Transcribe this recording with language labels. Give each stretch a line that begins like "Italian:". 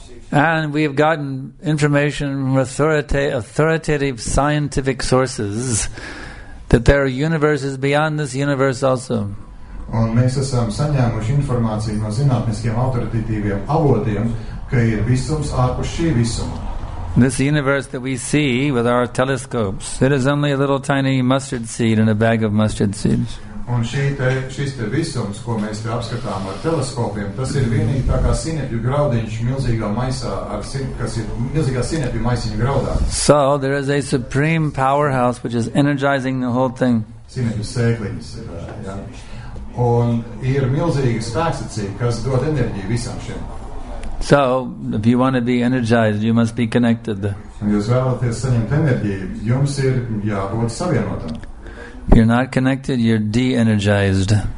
English: And we've gotten information from authoritative scientific sources that there are universes beyond this universe also.
Latvian: Un mēs esam saņēmuši informāciju no zinātniskiem autoritatīviem avotiem, ka ir visums ārpus šī visuma.
English: This universe that we see with our telescopes, it is only a little tiny mustard seed in a bag of mustard seeds.
Latvian: Un šis te visums, ko mēs te apskatām ar teleskopiem, tas ir vienīgi tā kā sinepju graudiņš milzīgā maisā, kas ir milzīgā sinepju maisiņa graudā.
English: So, there is a supreme powerhouse which is energizing the whole thing.
Latvian: Sinepju sēkliņas ir, jā. Un ir milzīga spēksacība, kas dod enerģiju visam šiem.
English: So, if you want to be energized, you must be connected. If you're not connected, you're de-energized.